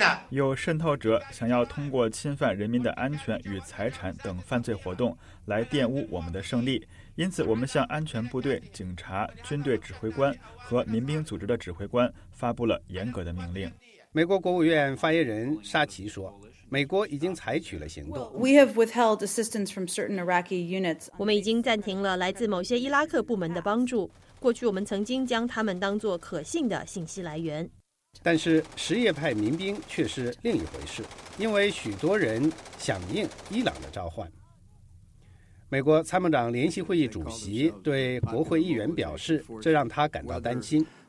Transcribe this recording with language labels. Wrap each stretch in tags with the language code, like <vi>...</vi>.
<zh>有渗透者想要通过侵犯人民的安全与财产等犯罪活动来玷污我们的胜利，因此我们向安全部队、警察、军队指挥官和民兵组织的指挥官发布了严格的命令。美国国务院发言人沙奇说，美国已经采取了行动。</zh> <en>We have withheld assistance from certain Iraqi units.</en> <zh>我们已经暂停了来自某些伊拉克部门的帮助。过去我们曾经将他们当作可信的信息来源。但是什叶派民兵却是另一回事，因为许多人响应伊朗的召唤。美国参谋长联席会议主席对国会议员表示，这让他感到担心。</zh>